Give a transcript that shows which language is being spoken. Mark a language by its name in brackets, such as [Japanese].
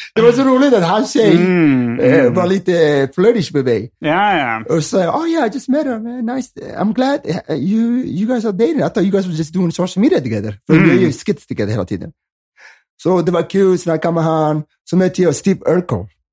[Swedish] Det var så roligt att han tjej var lite flirtish med mig. Ja. Och så, [English] oh yeah, I just met her, man. Nice. I'm glad you guys are dating. I thought you guys were just doing social media together. [Swedish] För vi gör ju skits together hela tiden. Så det var kul, så när jag kom med han. Så mötte jag Steve Urkel.